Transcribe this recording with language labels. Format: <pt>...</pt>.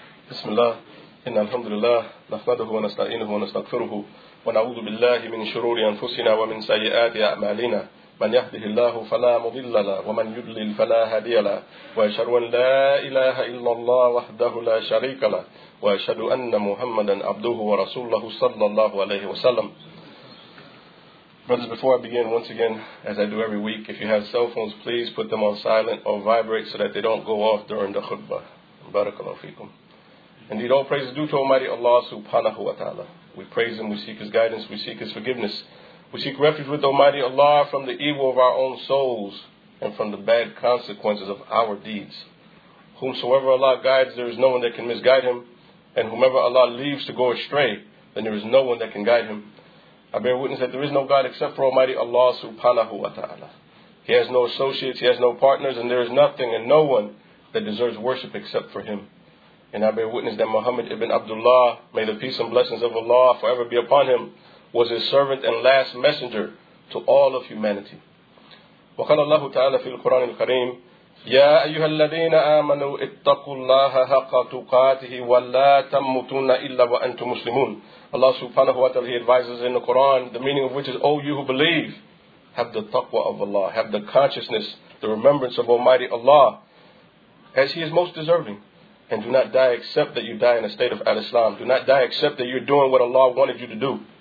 <ar>بسم الله إن الحمد لله نحمده ونستعينه ونستغفره ونعوذ بالله من شرور أنفسنا ومن سيئات أعمالنا من يهده الله فلا مضل له ومن يضلل فلا هادي له وأشهد أن لا إله إلا الله وحده لا شريك له وأشهد أن محمدا عبده ورسوله صلى الله عليه وسلم.</ar> <en>Brothers, before I begin, once again, as I do every week, if you have cell phones, please put them on silent or vibrate so that they don't go off during the khutbah. Barakallahu feekum. Indeed, all praise is due to Almighty Allah subhanahu wa ta'ala. We praise Him, we seek His guidance, we seek His forgiveness. We seek refuge with Almighty Allah from the evil of our own souls and from the bad consequences of our deeds. Whomsoever Allah guides, there is no one that can misguide him. And whomever Allah leaves to go astray, then there is no one that can guide him. I bear witness that there is no God except for Almighty Allah subhanahu wa ta'ala. He has no associates, He has no partners, and there is nothing and no one that deserves worship except for Him. And I bear witness that Muhammad ibn Abdullah, may the peace and blessings of Allah forever be upon him, was His servant and last messenger to all of humanity.</en> <ar>وقال الله تعالى في القرآن الكريم يا أيها الذين آمنوا اتقوا الله حق تقاته ولا تموتن إلا وأنتم مسلمون.</ar> <en>Allah subhanahu wa ta'ala, He advises in the Quran, the meaning of which is, O you who believe, have the taqwa of Allah, have the consciousness, the remembrance of Almighty Allah, as He is most deserving. And do not die except that you die in a state of al-Islam. Do not die except that you're doing what Allah wanted you to do.</en>